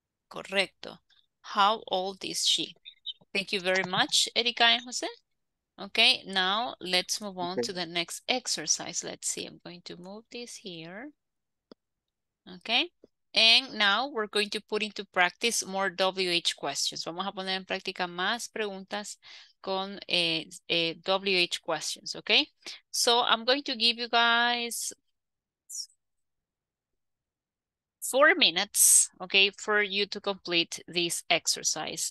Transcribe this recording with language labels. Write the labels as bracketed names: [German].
[English] Correcto. How old is she? Thank you very much, Erika and Jose. Okay, now let's move on to the next exercise. Let's see. I'm going to move this here. Okay. And now we're going to put into practice more WH questions. [Spanish] Vamos a poner en práctica más preguntas con WH questions. [English] Okay. So I'm going to give you guys 4 minutes, okay, for you to complete this exercise.